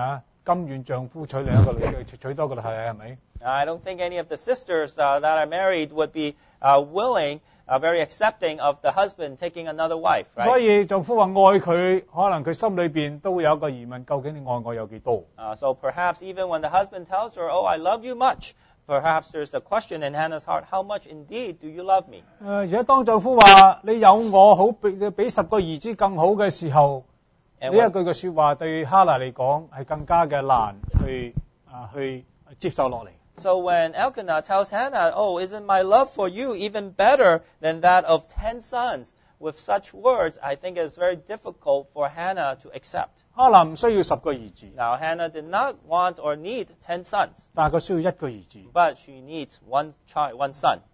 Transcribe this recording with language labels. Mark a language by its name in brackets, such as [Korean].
[Chinese] 我相信冇一個姊妹甘願丈夫娶另一個女人，娶多個啦，係咪？ [English] I don't think any of the sisters that are married would be willing, very accepting of the husband taking another wife, right? [Chinese] 所以丈夫說愛他，可能他心裡面都會有一個疑問，究竟你愛我有多少？ [English] So perhaps even when the husband tells her, Oh, I love you much, perhaps there's a question in Hannah's heart, How much indeed do you love me? [Chinese] 而當丈夫說你有我好比十個兒子更好的時候， 這一句話對哈拿來說是更加的難去接受下來。 [English] So when Elkanah tells Hannah, Oh, isn't my love for you even better than that of 10 sons? With such words, I think it's very difficult for Hannah to accept. Now, Hannah did not want or need 10 sons. But she needs one son.